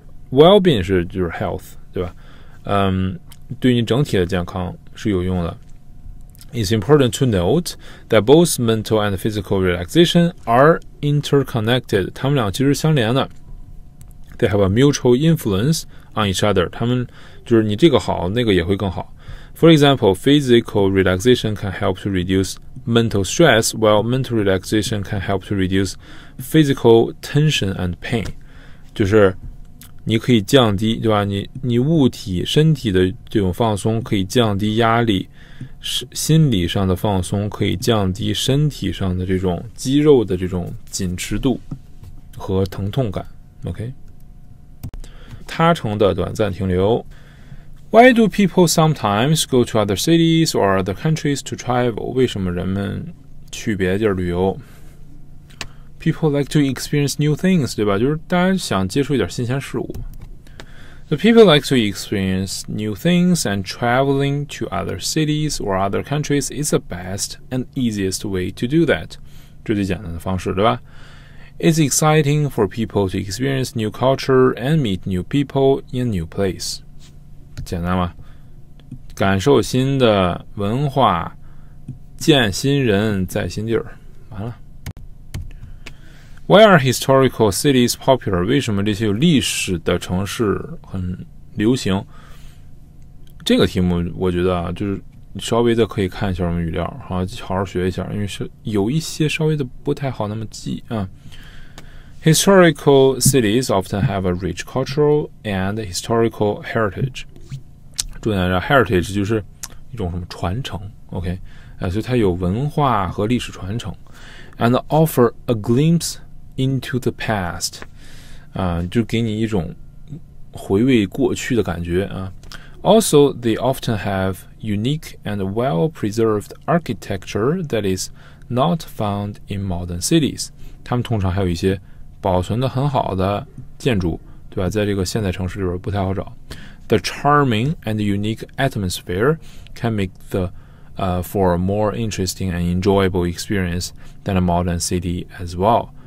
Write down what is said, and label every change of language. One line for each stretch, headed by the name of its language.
Chinese: Well-being 是就是 health, 对吧？对你整体的健康是有用的。
English: It's important to note that both mental and physical relaxation are interconnected.
Chinese: 他们俩其实相连的。
English: they have a mutual influence on each other.
Chinese: 他们就是你这个好，那个也会更好。
English: For example, physical relaxation can help to reduce mental stress, while mental relaxation can help to reduce physical tension and pain.
Chinese: 就是你可以降低，对吧？你物体身体的这种放松可以降低压力，心理上的放松可以降低身体上的这种肌肉的这种紧持度和疼痛感。 OK， 他城的短暂停留。
English: Why do people sometimes go to other cities or other countries to travel?
Chinese: 为什么人们去别的地儿旅游？
English: People like to experience new things,
Chinese: 对吧？就是大家想接触一点新鲜事物。
English: The people like to experience new things and traveling to other cities or other countries is the best and easiest way to do that.
Chinese: 这最简单的方式，对吧？
English: It's exciting for people to experience new culture and meet new people in new place.
Chinese: 简单吗？感受新的文化，见新人，在新地儿。完了。
English: Why are historical cities popular?
Chinese: 为什么这些有历史的城市很流行？这个题目我觉得啊，就是稍微的可以看一下我们语料，好好学一下，因为是有一些稍微的不太好那么记啊。
English: Historical cities often have a rich cultural and historical heritage.
Chinese: 重点是 heritage 就是一种什么传承 ，OK？所以它有文化和历史传承 ，
English: and offer a glimpse into the past.
Chinese: 就给你一种回味过去的感觉啊。
English: Also, they often have unique and well-preserved architecture that is not found in modern cities.
Chinese: 他们通常还有一些保存的很好的建筑，对吧？在这个现代城市里边不太好找。
English: The charming and unique atmosphere can make the for a more interesting and enjoyable experience than a modern city as well.